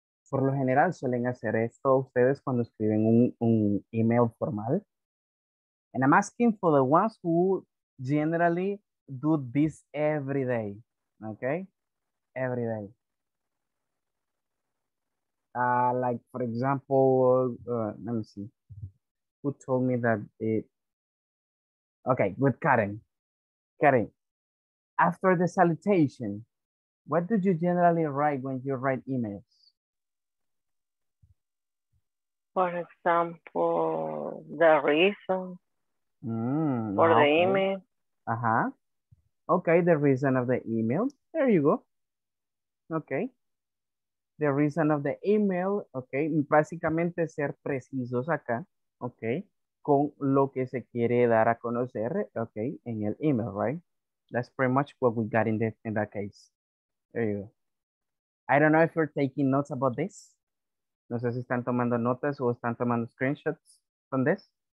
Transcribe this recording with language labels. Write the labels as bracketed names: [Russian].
[Spanish] Por lo general, suelen hacer esto ustedes cuando escriben un email formal. [English] And I'm asking for the ones who generally do this every day. Okay? Every day. Like, for example, let me see. Who told me that it... Okay, with Karen. Karen, after the salutation, what do you generally write when you write emails? For example, the reason for the email. Uh-huh. Okay, the reason of the email. There you go. Okay. The reason of the email. Okay. [Spanish] Básicamente ser precisos acá. [English] Okay. [Spanish] Con lo que se quiere dar a conocer. Okay. En el email, [English] right? That's pretty much what we got in that case. There you go. I don't know if you're taking notes about this. [Spanish] No sé si están tomando notas o están tomando screenshots [English] from this.